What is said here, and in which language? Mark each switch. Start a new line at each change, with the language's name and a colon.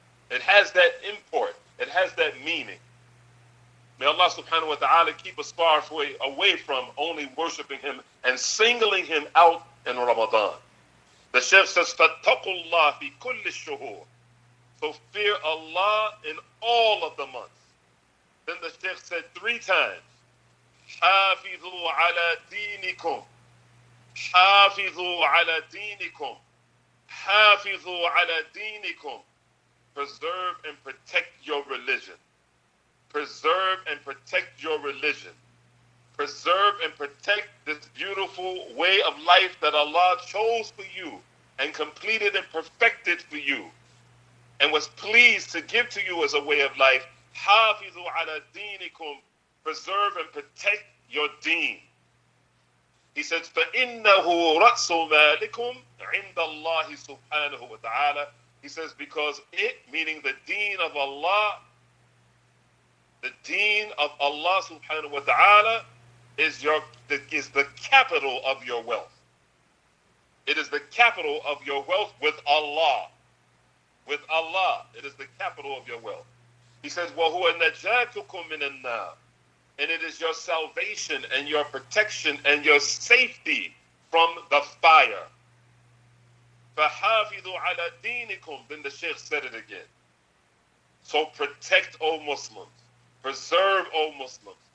English: It has that import. It has that meaning. May Allah subhanahu wa ta'ala keep us far away from only worshiping him and singling him out in Ramadan. The Shaykh says,
Arabic: Fattakullah fi kulli shuhur.
English: So fear Allah in all of the months. Then the Shaykh said three times,
Arabic: حافظوا على دينكم حافظوا على دينكم حافظوا على دينكم.
English: Preserve and protect your religion. Preserve and protect your religion. Preserve and protect this beautiful way of life that Allah chose for you and completed and perfected for you and was pleased to give to you as a way of life.
Arabic: حافظوا على دينكم.
English: Preserve and protect your deen. He says,
Arabic: فَإِنَّهُ رَأْسُ مَالِكُمْ عِنْدَ اللَّهِ سُبْحَانَهُ وَتَعَالَى.
English: He says, because it, meaning the deen of Allah, The deen of Allah subhanahu wa ta'ala is the capital of your wealth. It is the capital of your wealth with Allah. With Allah, it is the capital of your wealth. He says,
Arabic: وَهُوَ نَجَاتُكُمْ مِنَ النَّارِ.
English: And it is your salvation and your protection and your safety from the fire.
Arabic: فَحَافِظُوا عَلَى دِينِكُمْ.
English: Then the Shaykh said it again. So protect, O Muslims. Preserve, O Muslims.